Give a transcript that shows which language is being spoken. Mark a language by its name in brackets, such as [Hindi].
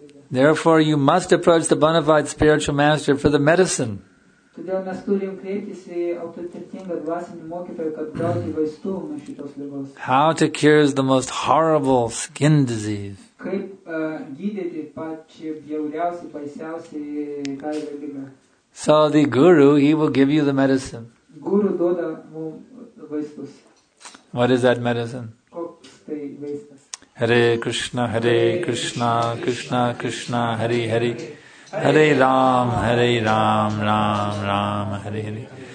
[English] Therefore, you must approach the bona fide spiritual master for the medicine. [Lithuanian] Todėl mes turim kreiptis į autoritetingą dvasinį mokytoją, kad gauti vaistų nuo šitos ligos. [English] How to cure the most horrible skin disease? [Lithuanian] Kaip gydyti pačią bjauriausią, baisiausią kailio ligą? [English] So the guru, he will give you the medicine. [Lithuanian] Guru duoda mums vaistus. [English] What is that medicine? [Lithuanian] Koks tai vaistas? [Sanskrit] Hare Krishna, Krishna Krishna, Hare Hare. Hare Ram, Hare Ram, Ram Ram, Hare Hare.